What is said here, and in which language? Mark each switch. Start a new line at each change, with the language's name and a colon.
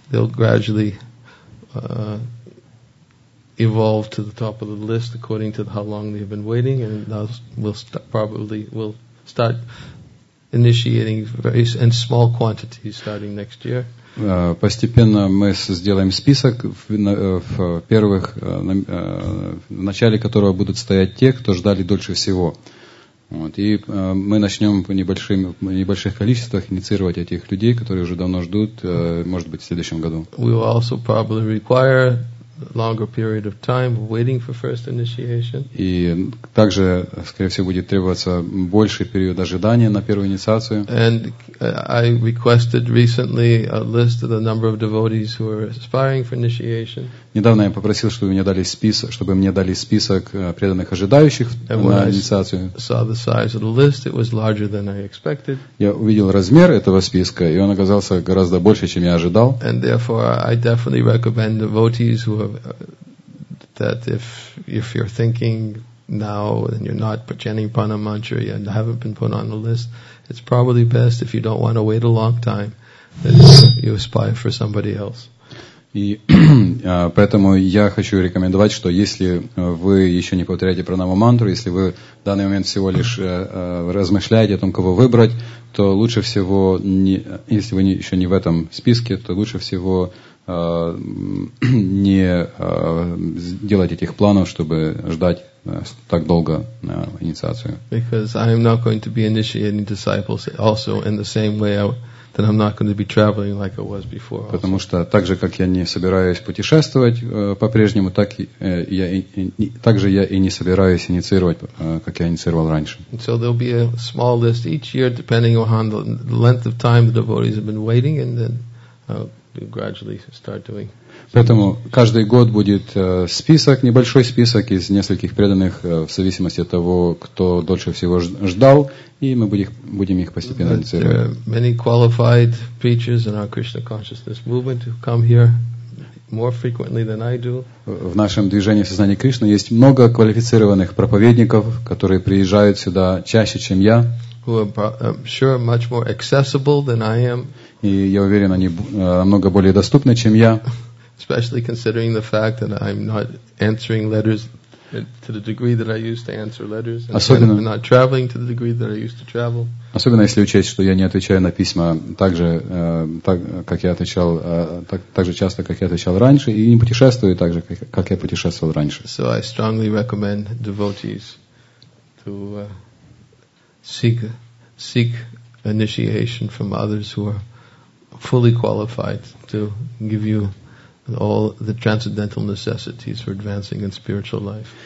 English: They'll gradually evolve to the top of the list according to how long they've been waiting, and thus we'll start initiating various and small quantities starting next year.
Russian: Постепенно мы сделаем список в первых в начале которого будут стоять те, кто ждали дольше всего. Вот. И мы начнем в небольших количествах инициировать этих людей, которые уже давно ждут, может быть, в следующем году.
English: We will also probably require a longer period of time waiting for first initiation.
Russian: И также, скорее всего, будет требоваться больший период ожидания на первую инициацию.
English: And I requested recently a list of the number of devotees who are aspiring for initiation.
Russian: Недавно я попросил, чтобы мне дали список преданных ожидающих на инициацию.
English: I saw the size of the list, it was larger than I expected.
Russian: Я увидел размер этого списка, и он оказался гораздо больше, чем я ожидал.
English: And therefore, I definitely recommend devotees who have, that if you're thinking now and you're not chanting Panamantra and haven't been put on the list, it's probably best if you don't want to wait a long time that you aspire for somebody else.
Russian: И поэтому я хочу рекомендовать, что если вы еще не повторяете пранаму мантру, если вы в данный момент всего лишь размышляете о том, кого выбрать, то лучше всего, если вы еще не в этом списке, то лучше всего не делать этих планов, чтобы ждать так долго на инициацию.
English: Because I'm not going to be initiating disciples also in the same way that I'm not going to be traveling like I was before.
Russian: Потому что так же, как я не собираюсь путешествовать по-прежнему, так же я и не собираюсь инициировать, как я инициировал раньше.
English: And so there'll be a small list each year, depending on the length of time the devotees have been waiting, and then I'll gradually start doing.
Russian: Поэтому каждый год будет список, небольшой список из нескольких преданных, в зависимости от того, кто дольше всего ждал, и мы будем их постепенно инициировать.
English: There are many qualified preachers in our Krishna consciousness movement who come here more frequently than I do.
Russian: В нашем движении сознания Кришны есть много квалифицированных проповедников, которые приезжают сюда чаще, чем я.
English: Who are, I'm sure, much more accessible than I am.
Russian: И я уверен, они намного более доступны, чем я.
English: Especially considering the fact that I'm not answering letters to the degree that I used to answer letters, and I'm not traveling to the degree that I used to travel.
Russian: Особенно если учесть, что я не отвечаю на письма так же часто, как я отвечал раньше, и не путешествую так же, как я путешествовал раньше.
English: So I strongly recommend devotees to seek initiation from others who are fully qualified to give you all the transcendental necessities for advancing in spiritual life.